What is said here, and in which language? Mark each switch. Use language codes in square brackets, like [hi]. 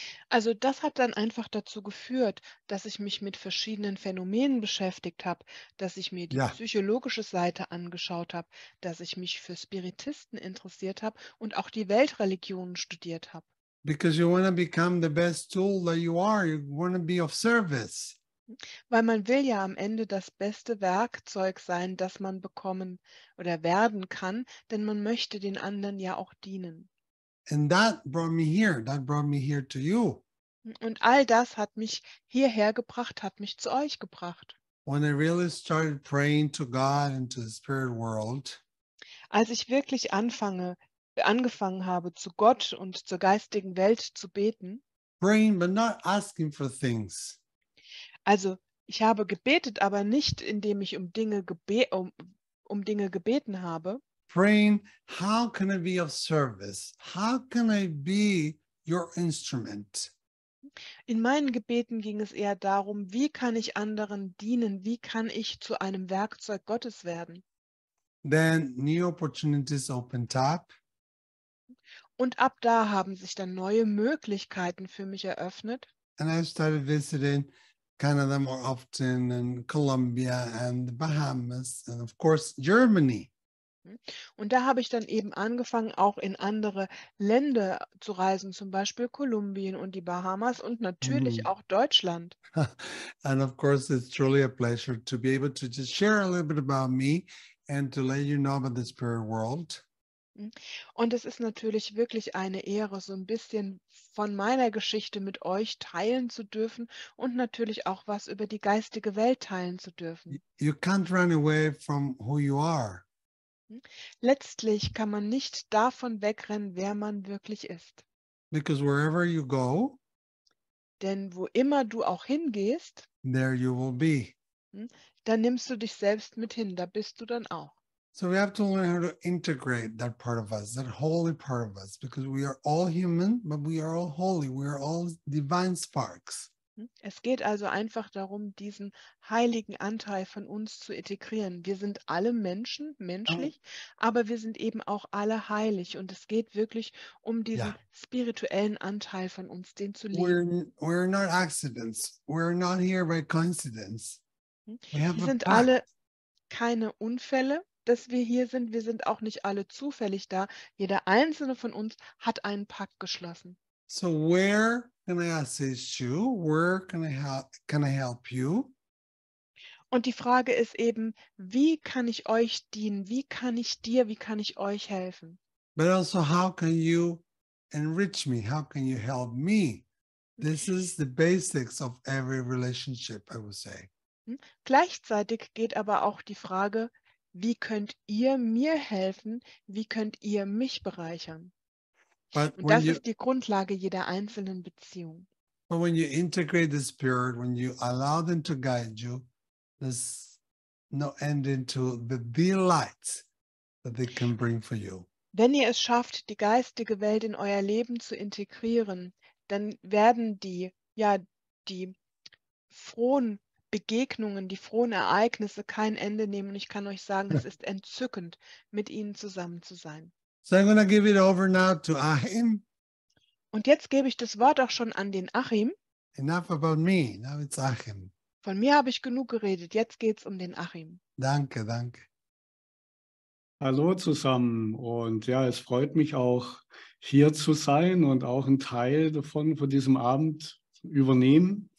[de] Also das hat dann einfach dazu geführt, dass ich mich mit verschiedenen Phänomenen beschäftigt habe, dass ich mir die psychologische Seite angeschaut habe, dass ich mich für Spiritisten interessiert habe und auch die Weltreligionen studiert habe. [en] Because you want to become the best tool that you are, you want to be of service. [de] Weil man will ja am Ende das beste Werkzeug sein, das man bekommen oder werden kann, denn man möchte den anderen ja auch dienen. [en] And that brought me here. That brought me here to you. [de] Und all das hat mich hierher gebracht, hat mich zu euch gebracht. [en] When I really started praying to God and to the spirit world. [de] Als ich wirklich angefangen habe, zu Gott und zur geistigen Welt zu beten. [en] Praying, but not asking for things. [de] Also, ich habe gebetet, aber nicht, indem ich um Dinge gebeten habe. [en] Praying, how can I be of service? How can I be your instrument? [de] In meinen Gebeten ging es eher darum, wie kann ich anderen dienen? Wie kann ich zu einem Werkzeug Gottes werden? [en] Then new opportunities opened up. [de] Und ab da haben sich dann neue Möglichkeiten für mich eröffnet. [en] And I started visiting Canada more often and Colombia and the Bahamas and of course Germany. [de] Und da habe ich dann eben angefangen, auch in andere Länder zu reisen, zum Beispiel Kolumbien und die Bahamas und natürlich auch Deutschland. [en] And of course, it's truly a pleasure to be able to just share a little bit about me and to let you know about the spirit world. [de] Und es ist natürlich wirklich eine Ehre, so ein bisschen von meiner Geschichte mit euch teilen zu dürfen und natürlich auch was über die geistige Welt teilen zu dürfen. [en] You can't run away from who you are. [de] Letztlich kann man nicht davon wegrennen, wer man wirklich ist. [en] Because wherever you go, [de] denn wo immer du auch hingehst, [en] there you will be. [de] Da nimmst du dich selbst mit hin, da bist du dann auch. [en] So we have to learn how to integrate that part of us, that holy part of us, because we are all human, but we are all holy, we are all divine sparks. [de] Es geht also einfach darum, diesen heiligen Anteil von uns zu integrieren. Wir sind alle Menschen, menschlich, aber wir sind eben auch alle heilig. Und es geht wirklich um diesen spirituellen Anteil von uns, den zu leben. [en] We're not accidents. We're not here by coincidence. [de] Wir sind alle keine Unfälle, dass wir hier sind. Wir sind auch nicht alle zufällig da. Jeder einzelne von uns hat einen Pakt geschlossen. [en] So where can I assist you? Where can I help you? [de] Und die Frage ist eben, wie kann ich euch dienen? Wie kann ich dir, wie kann ich euch helfen? [en] But also, how can you enrich me? How can you help me? This is the basics of every relationship, I would say. [de] Gleichzeitig geht aber auch die Frage, wie könnt ihr mir helfen? Wie könnt ihr mich bereichern? [en] But [de] und das ist die Grundlage jeder einzelnen Beziehung. [en] But when you integrate the spirit, when you allow them to guide you, there's no end into the delight that they can bring for you. [de] Wenn ihr es schafft, die geistige Welt in euer Leben zu integrieren, dann werden die frohen Begegnungen, die frohen Ereignisse kein Ende nehmen. Und ich kann euch sagen, es ist entzückend, mit ihnen zusammen zu sein. [en] So I'm gonna give it over now to Achim. [de] Und jetzt gebe ich das Wort auch schon an den Achim. [en] Enough about me, now it's Achim. [de] Von mir habe ich genug geredet, jetzt geht es um den Achim. Danke, danke. Hallo zusammen und ja, es freut mich auch hier zu sein und auch einen Teil davon von diesem Abend übernehmen.